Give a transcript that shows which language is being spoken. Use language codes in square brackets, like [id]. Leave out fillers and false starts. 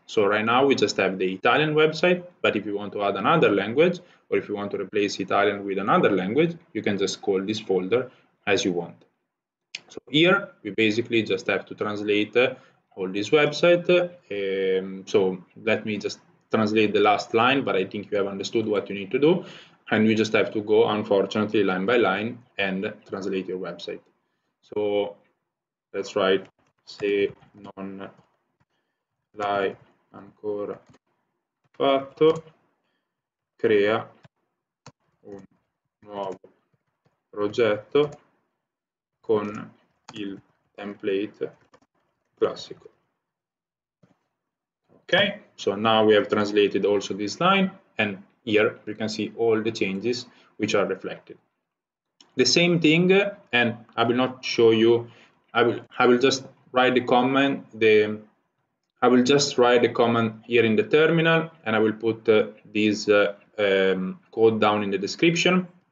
[en] So right now we just have the Italian website, but if you want to add another language, or if you want to replace Italian with another language, you can just call this folder as you want. So here, we basically just have to translate all this website. So let me just translate the last line, but I think you have understood what you need to do. And we just have to go, unfortunately, line by line and translate your website. So let's write, say, [it] non l'hai ancora fatto, crea un nuovo progetto con il template classico. [en] Okay, so now we have translated also this line, and here we can see all the changes which are reflected. The same thing, and I will not show you, I will just write the command here in the terminal, and I will put this code down in the description.